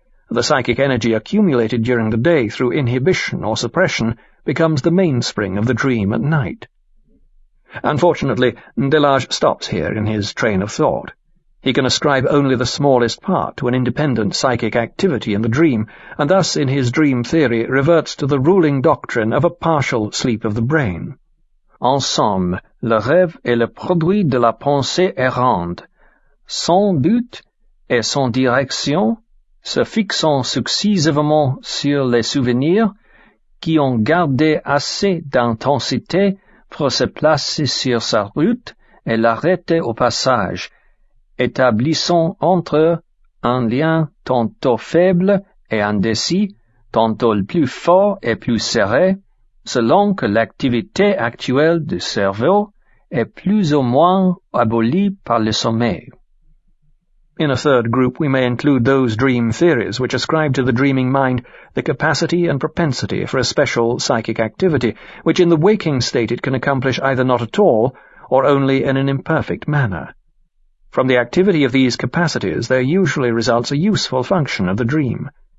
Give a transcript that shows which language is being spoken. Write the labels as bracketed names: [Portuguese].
[English] The psychic energy accumulated during the day through inhibition or suppression becomes the mainspring of the dream at night. Unfortunately, Delage stops here in his train of thought. He can ascribe only the smallest part to an independent psychic activity in the dream, and thus in his dream theory reverts to the ruling doctrine of a partial sleep of the brain. [French] En somme, le rêve est le produit de la pensée errante, sans but et sans direction, se fixant successivement sur les souvenirs qui ont gardé assez d'intensité pour se placer sur sa route et l'arrêter au passage, établissant entre eux un lien tantôt faible et indécis, tantôt plus fort et plus serré, selon que l'activité actuelle du cerveau est plus ou moins abolie par le sommeil. [English] In a third group, we may include those dream theories which ascribe to the dreaming mind the capacity and propensity for a special psychic activity, which in the waking state it can accomplish either not at all, or only in an imperfect manner. From the activity of these capacities, there usually results a useful function of the dream.